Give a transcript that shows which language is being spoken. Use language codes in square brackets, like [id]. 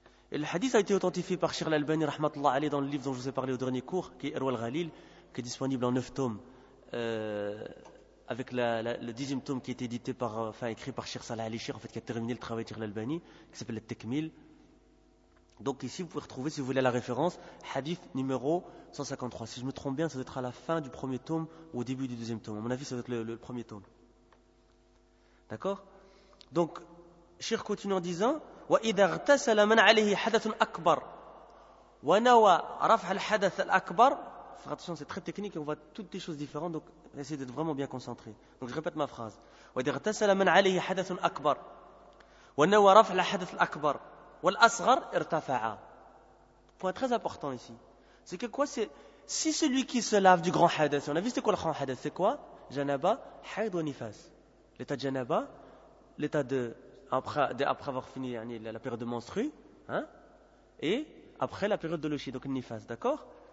[fr] Et le hadith a été authentifié par Cheikh Al-Albani rahmatullah alayh dans le livre dont je vous ai parlé au dernier cours, qui est Irwal Ghalil, qui est disponible en 9 tomes, avec le 10e tome qui a été édité par, enfin écrit par Cheikh Salah Ali Cheikh, en fait, qui a terminé le travail de Cheikh Al-Albani, qui s'appelle le Tekmil. Donc ici, vous pouvez retrouver, si vous voulez la référence, hadith numéro 153. Si je me trompe bien, ça doit être à la fin du 1er tome ou au début du 2e tome. À mon avis, ça doit être le 1er tome. D'accord? Donc, Cheikh continue en disant: [ar] وإذا اغتسل من عليه حدث أكبر ونوى رفع الحدث الأكبر. [fr] Attention, c'est très technique, on voit toutes les choses différentes, donc essayez d'être vraiment bien concentré. Donc je répète ma phrase. [ar] وإذا اغتسل من عليه حدث أكبر ونوى رفع الحدث الأكبر والأصغر ارتفع. [fr] Point très important ici. C'est que quoi? C'est si celui qui se lave du grand hadith, on a vu c'est quoi le grand hadith? C'est quoi? Janaba, haid wa nifas. L'état de janaba, l'état de. Après avoir fini la période de menstrue, hein, et après la période de l'oshi, donc le nifas, d'accord?